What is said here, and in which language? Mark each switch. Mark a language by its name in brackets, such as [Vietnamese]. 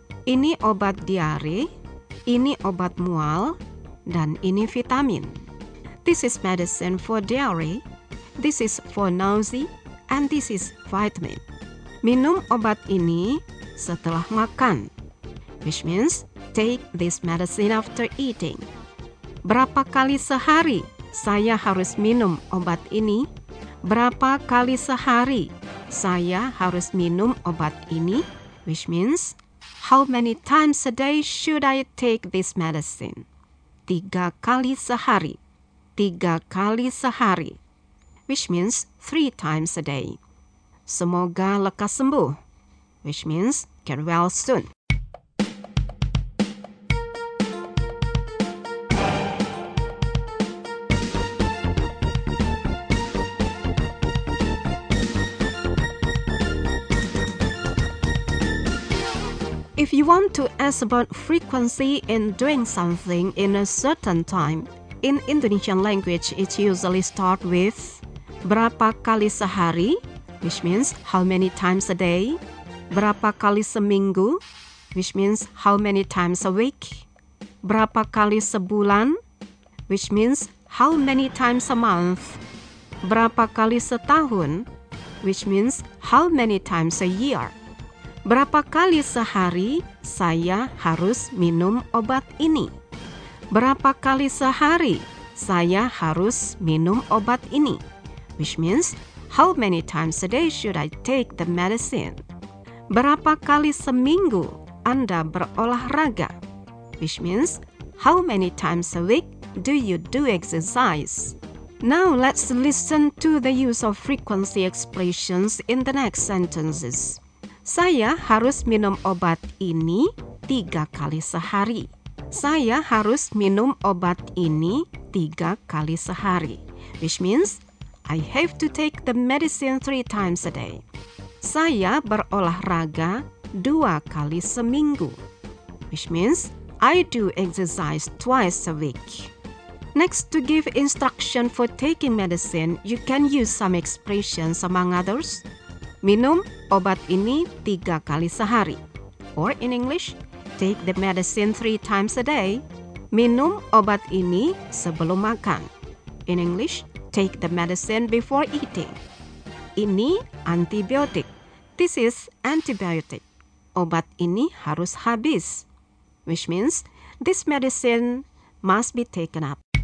[Indonesian] Ini obat diare, ini obat mual, dan ini vitamin. [English] This is medicine for diare, this is for nausea, and this is vitamin. [Indonesian] Minum obat ini setelah makan, [English] which means take this medicine after eating. [Indonesian] Berapa kali sehari saya harus minum obat ini? Berapa kali sehari saya harus minum obat ini? [English] Which means, how many times a day should I take this medicine? [Indonesian] Tiga kali sehari. Tiga kali sehari. [English] Which means, three times a day. [Indonesian] Semoga lekas sembuh. [English] Which means, get well soon. If you want to ask about frequency in doing something in a certain time, in Indonesian language, it usually start with [Indonesian] berapa kali sehari, [English] which means how many times a day, [Indonesian] berapa kali seminggu, [English] which means how many times a week, [Indonesian] berapa kali sebulan, [English] which means how many times a month, [Indonesian] berapa kali setahun, [English] which means how many times a year. [Indonesian] Berapa kali sehari saya harus minum obat ini? Berapa kali sehari saya harus minum obat ini? [English] Which means, how many times a day should I take the medicine? [Indonesian] Berapa kali seminggu Anda berolahraga? [English] Which means, how many times a week do you do exercise? Now let's listen to the use of frequency expressions in the next sentences. [Indonesian] Saya harus minum obat ini tiga kali sehari. Saya harus minum obat ini tiga kali sehari. [English] Which means, I have to take the medicine three times a day. [Indonesian] Saya berolahraga dua kali seminggu. [English] Which means, I do exercise twice a week. Next, to give instruction for taking medicine, you can use some expressions among others. [Indonesian] Minum obat ini tiga kali sehari. [English] Or in English, take the medicine three times a day. [Indonesian] Minum obat ini sebelum makan. [English] In English, take the medicine before eating. [Indonesian] Ini antibiotik. [English] This is antibiotic. [Indonesian] Obat ini harus habis. [English] Which means, this medicine must be taken up.